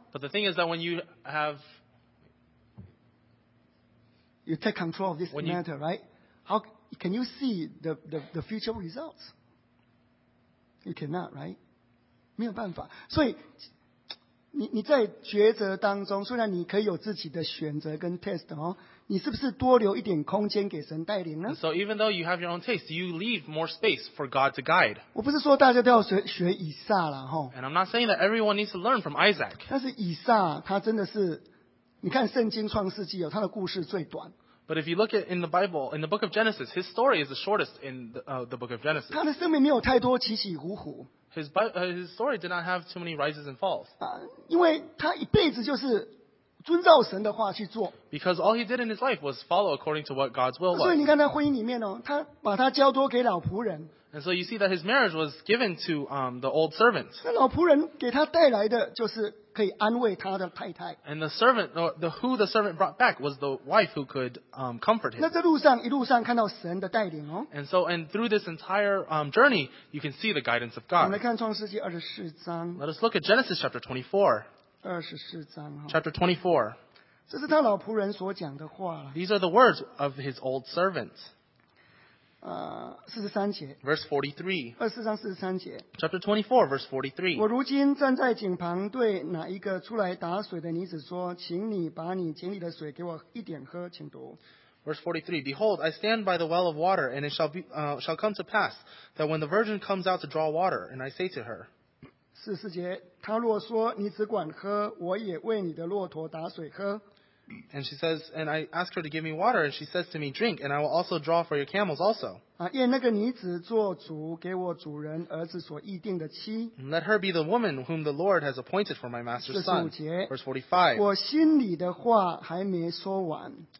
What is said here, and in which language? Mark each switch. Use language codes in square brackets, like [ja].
[en] But the thing is that when you have you take control of this matter, right? How can you see the future results? You cannot, right? [zh] 没有办法。所以你在抉择当中，虽然你可以有自己的选择跟 test 哦，你是不是多留一点空间给神带领呢？ [en] So even though you have your own taste, you leave more space for God to guide. [zh] 我不是说大家都要学以撒啦，哈。 [en] And I'm not saying that everyone needs to learn from Isaac. [zh] 但是以撒他真的是。你看圣经创世纪哦，它的故事最短。 [en] But if you look at in the Bible, in the book of Genesis, his story is the shortest in the book of Genesis. [zh] 他的生命没有太多起起伏伏。 [en] His story did not have too many rises and falls. [zh] 因为他一辈子就是遵照神的话去做。 [en] Because all he did in his life was follow according to what God's will was. [zh] 所以你看他婚姻里面哦，他把他交托给老仆人。 [en] And so you see that his marriage was given to the old servant. [zh] 那老仆人给他带来的就是可以安慰他的太太。 [en] And the servant, who the servant brought back was the wife who could comfort him. [zh] 那这路上一路上看到神的带领哦。 [en] And through this entire journey, you can see the guidance of God. [zh] 我们来看创世纪二十四章。 [en] Let us look at Genesis chapter 24. [zh] 二十四章哈。 [en] Chapter 24. [zh] 这是他老仆人所讲的话。 [en] These are the words of his old servant. [zh] 43节 [en] Verse 43. [zh] 24章43节 [en] Chapter 24, verse 43. [zh] 我如今站在井旁，对哪一个出来打水的女子说，请你把你井里的水给我一点喝，请读。 [en] Verse 43. Behold, I stand by the well of water, and it shall be, shall come to pass that when the virgin comes out to draw water, and I say to her. [zh] 44节，她若说你只管喝，我也为你的骆驼打水喝。 [en] And she says, and I ask her to give me water, and she says to me, drink, and I will also draw for your camels also. [zh] 愿那个女子做主给我主人儿子所预定的妻。 [en] Let her be the woman whom the Lord has appointed for my master's son. [zh] 45节。 [en] Verse 45. [zh] 我心里的话还没说完。